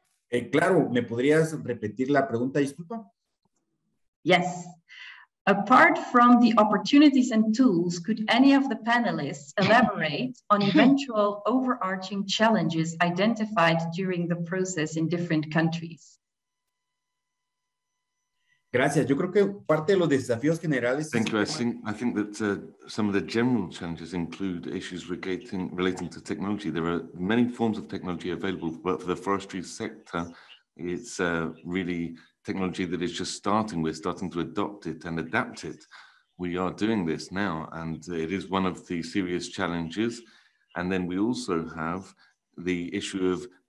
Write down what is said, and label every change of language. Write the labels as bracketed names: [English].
[Spanish] Claro, ¿me podrías repetir la pregunta, disculpa? [English] Yes. Apart from the opportunities and tools, could any of the panelists elaborate on eventual overarching challenges identified during the process in different countries? [Spanish] Gracias. Yo creo que parte de los desafíos generales. [English] Thank you. I think that some of the general challenges include issues relating to technology. There are many forms of technology available, but for the forestry sector, it's really technology that is just starting. We're starting to adopt it and adapt it. We are doing this now, and it is one of the serious challenges. And then we also have the issue of